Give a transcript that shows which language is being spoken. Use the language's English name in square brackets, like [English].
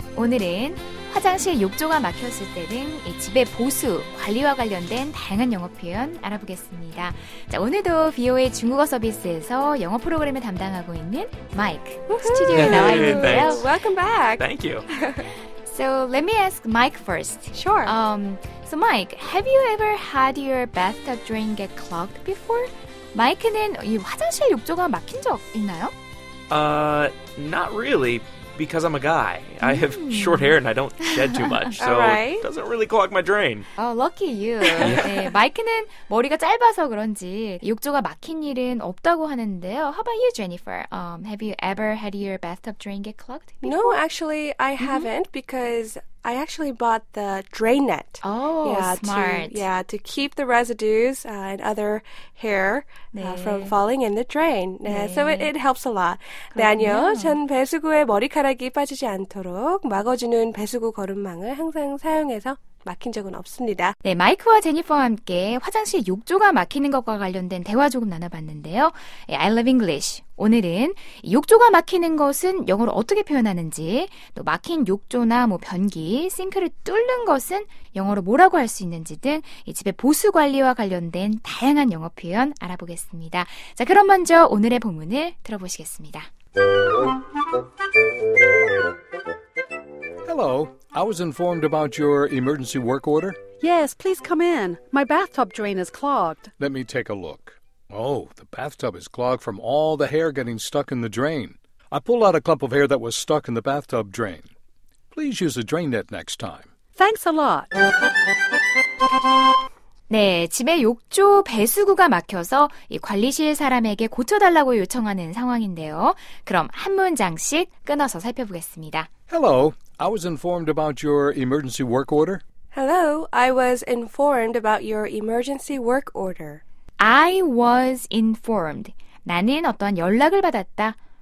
[Korean] 오늘은 화장실 욕조가 막혔을 때는 이 집의 보수, 관리와 관련된 다양한 영어 표현 알아보겠습니다. 자, 오늘도 VOA 중국어 서비스에서 영어 프로그램을 담당하고 있는 마이크 스튜디오에 나와 있는데요. [English] Welcome back. Thank you. So let me ask Mike first. Sure. So Mike, have you ever had your bathtub drain get clogged before? [Korean] 마이크는 이 화장실 욕조가 막힌 적 있나요? [English] Not really. Because I'm a guy. I have short hair and I don't shed too much. So right. It doesn't really clog my drain. Oh, lucky you. [Korean] 네, 마이크는 머리가 짧아서 그런지 욕조가 막힌 일은 없다고 하는데요. [English] How about you, Jennifer? Have you ever had your bathtub drain get clogged before? No, actually, I haven't because I actually bought the drain net. Oh, yeah, smart. To keep the residues and other hair 네. From falling in the drain. 네. So it helps a lot. [Korean] 그럼요. 네, 아니요. 전 배수구에 머리카락이 빠지지 않도록 막아주는 배수구 거름망을 항상 사용해서 막힌 적은 없습니다. 네, 마이크와 제니퍼와 함께 화장실 욕조가 막히는 것과 관련된 대화 조금 나눠봤는데요. [English] I love English. [Korean] 오늘은 욕조가 막히는 것은 영어로 어떻게 표현하는지, 또 막힌 욕조나 뭐 변기, 싱크를 뚫는 것은 영어로 뭐라고 할 수 있는지 등 이 집의 보수 관리와 관련된 다양한 영어 표현 알아보겠습니다. 자, 그럼 먼저 오늘의 본문을 들어보시겠습니다. [English] Hello. I was informed about your emergency work order. Yes, please come in. My bathtub drain is clogged. Let me take a look. Oh, the bathtub is clogged from all the hair getting stuck in the drain. I pulled out a clump of hair that was stuck in the bathtub drain. Please use a drain net next time. Thanks a lot. [Korean] 네, 집에 욕조 배수구가 막혀서 이 관리실 사람에게 고쳐달라고 요청하는 상황인데요. 그럼 한 문장씩 끊어서 살펴보겠습니다. [English] Hello, I was informed about your emergency work order. Hello, I was informed about your emergency work order. I was informed. [Korean] 나는 어떤 연락을 받았다.